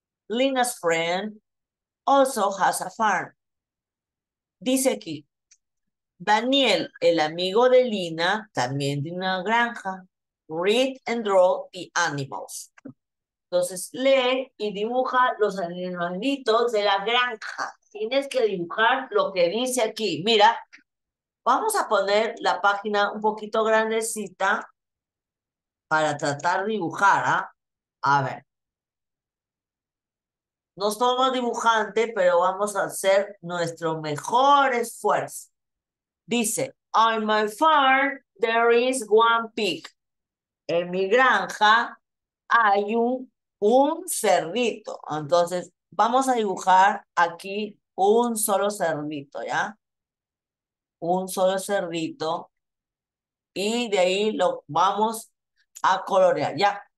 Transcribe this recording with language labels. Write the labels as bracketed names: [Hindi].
[English] Lina's friend also has a farm. [Spanish] Dice aquí, Daniel, el amigo de Lina, también tiene una granja. [English] Read and draw the animals. [Spanish] Entonces, lee y dibuja los animalitos de la granja. Tienes que dibujar lo que dice aquí. Mira, vamos a poner la página un poquito grandecita para tratar de dibujar, ¿eh? A ver. No somos dibujantes, pero vamos a hacer nuestro mejor esfuerzo. [English] Dice, on my farm there is one pig. [Spanish] En mi granja hay un cerdito. Entonces, vamos a dibujar aquí un solo cerdito, ¿ya? Un solo cerdito. Y de ahí lo vamos a colorear, ¿ya?